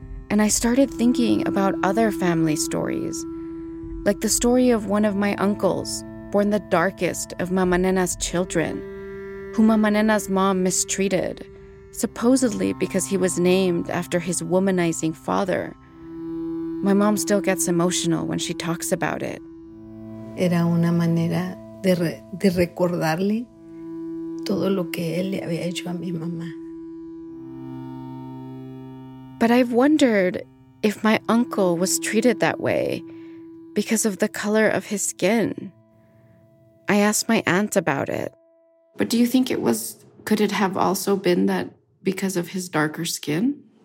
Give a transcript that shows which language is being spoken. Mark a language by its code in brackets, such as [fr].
[en] And I started thinking about other family stories, like the story of one of my uncles, born the darkest of Mama Nena's children, who Mama Nena's mom mistreated, supposedly because he was named after his womanizing father. My mom still gets emotional when she talks about it. [es] Era una manera de recordarle todo lo que él le había hecho a mi mamá. [en] But I've wondered if my uncle was treated that way because of the color of his skin. I asked my aunt about it. But do you think it was, could it have also been that because of his darker skin?